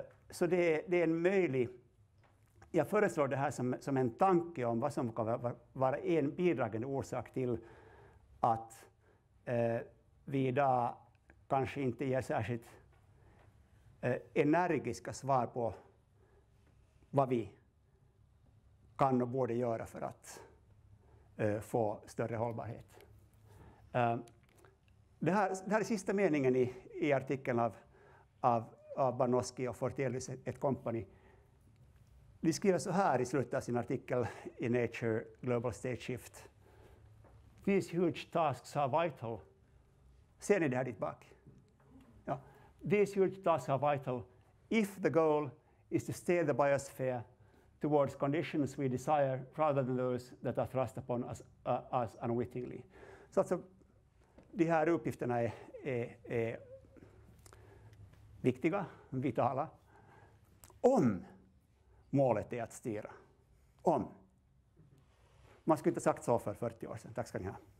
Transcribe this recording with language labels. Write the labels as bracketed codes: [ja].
[sv] Så det är en möjlig, jag föreslår det här som en tanke om vad som kan vara en bidragande orsak till att vi idag kanske inte ger särskilt energiska svar på vad vi kan och borde göra för att få större hållbarhet. Det här är sista meningen i artikeln av Barnoski och Fortelius et company. De skriver så här i slutet av sin artikel i Nature Global State Shift. [en] These huge tasks are vital. [sv] Ser ni det här dit bak? Ja. [en] These huge tasks are vital if the goal is to steer the biosphere towards conditions we desire rather than those that are thrust upon us unwittingly. [sv] Så alltså, de här uppgifterna är viktiga, vitala. Om målet är att styra. Om. Man skulle inte sagt så för 40 år sedan. Tack ska ni ha.